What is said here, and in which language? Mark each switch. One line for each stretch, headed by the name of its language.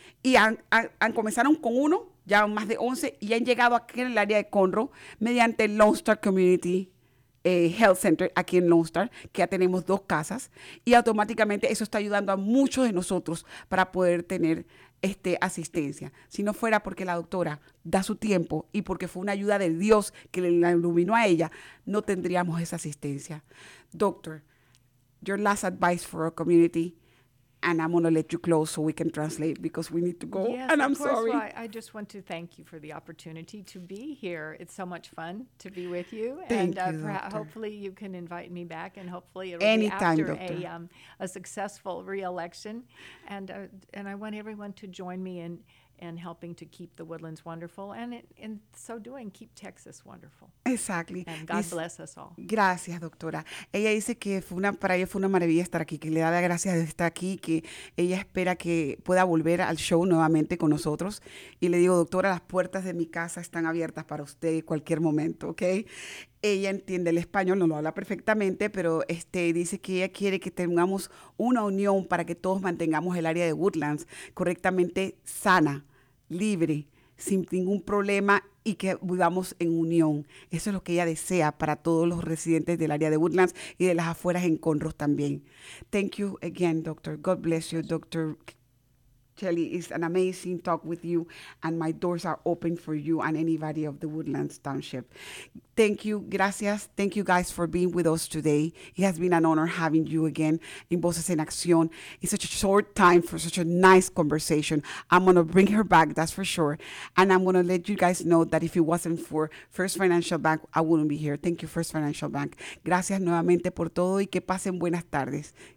Spanish: Y han comenzaron con uno, ya más de 11, y han llegado aquí en el área de Conroe mediante el Lone Star Community Health Center aquí en Lone Star, que ya tenemos 2 casas. Y automáticamente eso está ayudando a muchos de nosotros para poder tener asistencia. Si no fuera porque la doctora da su tiempo y porque fue una ayuda de Dios que la iluminó a ella, no tendríamos esa asistencia.
English: Doctor, your last advice for our community, and I'm going to let you close so we can translate because we need to go. Yes, and I'm of course, sorry. Well, I just want to thank you for the opportunity to be here. It's so much fun to be with you. Thank you, hopefully you can invite me back, and hopefully it'll anytime, be after a successful re-election. And I want everyone to join me in helping to keep the Woodlands wonderful, and in so doing, keep Texas wonderful. Exactly. And God bless us all.
Spanish: Gracias, doctora. Ella dice que para ella fue una maravilla estar aquí, que le da las gracias de estar aquí, que ella espera que pueda volver al show nuevamente con nosotros. Y le digo, doctora, las puertas de mi casa están abiertas para usted en cualquier momento, ¿ok? Ella entiende el español, no lo habla perfectamente, pero dice que ella quiere que tengamos una unión para que todos mantengamos el área de Woodlands correctamente sana, libre, sin ningún problema y que vivamos en unión. Eso es lo que ella desea para todos los residentes del área de Woodlands y de las afueras en Conroe también.
English: Thank you again, doctor. God bless you, doctor. Kelly, it's an amazing talk with you, and my doors are open for you and anybody of the Woodlands Township. Thank you.
Spanish: Gracias.
English: Thank you guys for being with us today. It has been an honor having you again in Voces en Acción. It's such a short time for such a nice conversation. I'm going to bring her back, that's for sure. And I'm going to let you guys know that if it wasn't for First Financial Bank, I wouldn't be here. Thank you, First Financial Bank.
Spanish: Gracias nuevamente por todo y que pasen buenas tardes.